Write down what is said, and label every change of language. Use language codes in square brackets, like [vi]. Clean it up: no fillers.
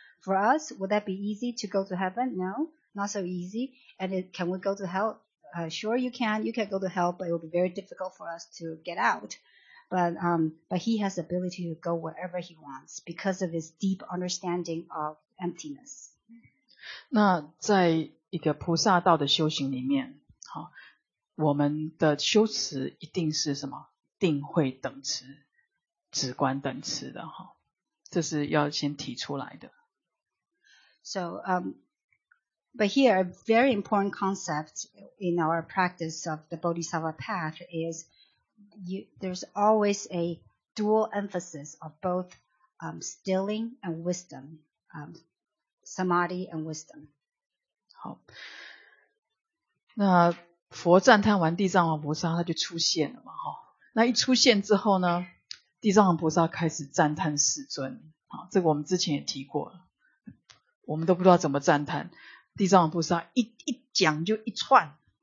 [en] For us, would that be easy to go to heaven? No, not so easy. And can we go to hell? Sure, you can go to hell, but it will be very difficult for us to get out. but he has the ability to go wherever he wants because of his deep understanding of emptiness. [zh] 那在一个菩萨道的修行里面，好，我们的修持一定是什么？定慧等持，止观等持的哈，这是要先提出来的。 [en] So, but here a very important concept in our practice of the Bodhisattva path is there's always a dual emphasis of both stilling and wisdom, samadhi and wisdom. [zh] 好，那佛赞叹完地藏王菩萨，他就出现了嘛，哈。那一出现之后呢，地藏王菩萨开始赞叹世尊，好，这个我们之前也提过了。我们都不知道怎么赞叹地藏王菩萨，一讲就一串。